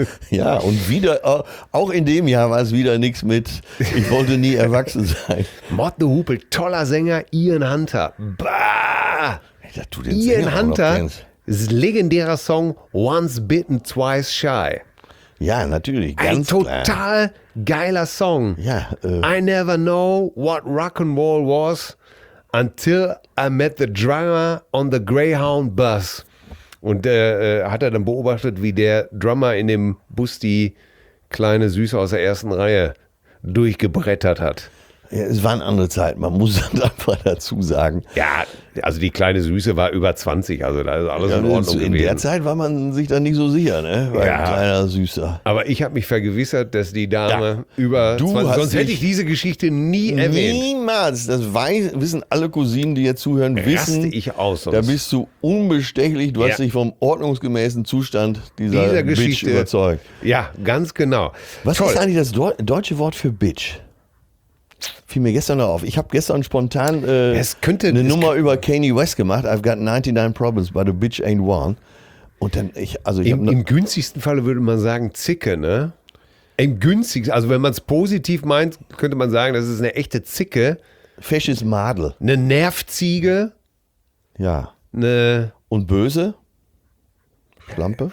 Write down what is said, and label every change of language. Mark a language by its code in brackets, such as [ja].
[de] Ja, und wieder, auch in dem Jahr war es wieder nichts mit, ich wollte nie erwachsen sein. Mott the Hoople, toller Sänger, Ian Hunter. Bah! Ey, den Ian Sänger Hunter, ist legendärer Song, Once Bitten, Twice Shy. Ja, natürlich, ganz ein total geiler Song. Ja, [en] I never know what Rock'n'Roll was until I met the drummer on the Greyhound bus. [de] Und hat er dann beobachtet, wie der Drummer in dem Bus die kleine Süße aus der ersten Reihe durchgebrettert hat. Ja, es waren andere Zeiten, man muss das einfach dazu sagen. Ja, also die kleine Süße war über 20, also da ist alles in Ordnung gewesen. In der Zeit war man sich dann nicht so sicher, ne? Bei kleiner Süßer. Aber ich habe mich vergewissert, dass die Dame über 20, sonst hätte ich diese Geschichte nie erwähnt. Niemals, das wissen alle Cousinen, die jetzt zuhören, wissen. Raste ich aus sonst. Da bist du unbestechlich, du hast dich vom ordnungsgemäßen Zustand dieser Geschichte Bitch überzeugt. Ja, ganz genau. Was ist eigentlich das deutsche Wort für Bitch? Fiel mir gestern noch auf. Ich habe gestern spontan über Kanye West gemacht. [en] I've got 99 problems, but a bitch ain't one. [de] Und dann im günstigsten Falle würde man sagen Zicke, ne? Ein günstiges, also wenn man es positiv meint, könnte man sagen, das ist eine echte Zicke. Fesches Madel. Eine Nervziege. Ja. Eine. Und böse? Schlampe?